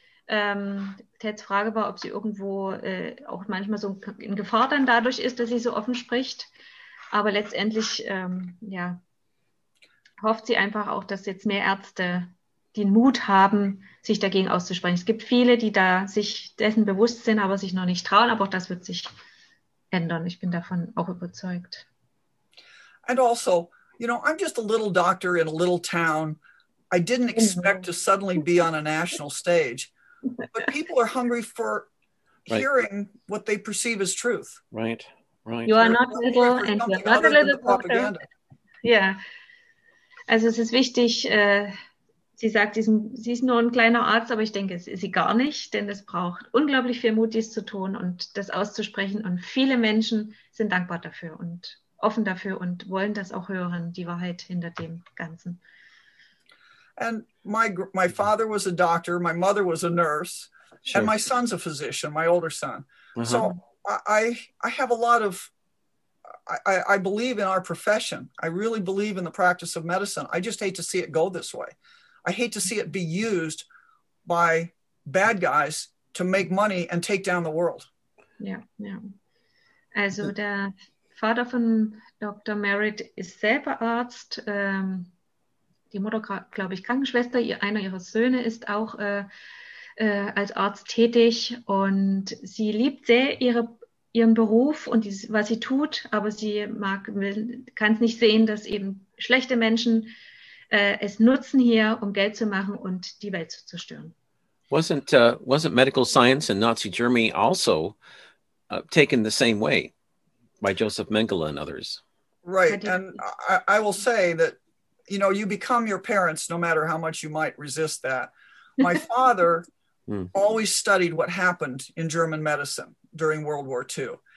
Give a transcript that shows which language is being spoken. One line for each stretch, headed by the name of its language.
German: Teds Frage war, ob sie irgendwo auch manchmal so in Gefahr dann dadurch ist, dass sie so offen spricht. Aber letztendlich ja, hofft sie einfach auch, dass jetzt mehr Ärzte den Mut haben, sich dagegen auszusprechen. Es gibt viele, die da sich dessen bewusst sind, aber sich noch nicht trauen. Aber auch das wird sich ändern. Ich bin davon auch überzeugt.
English: And also, you know, I'm just a little doctor in a little town. I didn't expect to suddenly be on a national stage. But people are hungry for hearing right. what they perceive as truth. Right, right. You are not little and you are not a little doctor. Yeah.
German: Also es ist wichtig, sie sagt, sie ist nur ein kleiner Arzt, aber ich denke, es ist sie gar nicht, denn es braucht unglaublich viel Mut, dies zu tun und das auszusprechen. Und viele Menschen sind dankbar dafür und offen dafür und wollen das auch hören, die Wahrheit hinter dem Ganzen.
English: And my father was a doctor, my mother was a nurse, sure. and my son's a physician, my older son. Uh-huh. So I have a lot of, I believe in our profession. I really believe in the practice of medicine. I just hate to see it go this way. I hate to see it be used by bad guys to make money and take down the world.
German: Yeah, yeah. Also der Vater von Dr. Merritt ist selber Arzt, die Mutter, glaube ich, Krankenschwester, einer ihrer Söhne ist auch als Arzt tätig und sie liebt sehr ihren Beruf und was sie tut, aber sie kann es nicht sehen, dass eben schlechte Menschen es nutzen hier, um Geld zu machen und die Welt zu zerstören.
English: Wasn't medical science in Nazi Germany also taken the same way by Joseph Mengele and others? Right, and I will say that you know, you become your parents no matter how much you might resist that. My father always studied what happened in German medicine during World War II.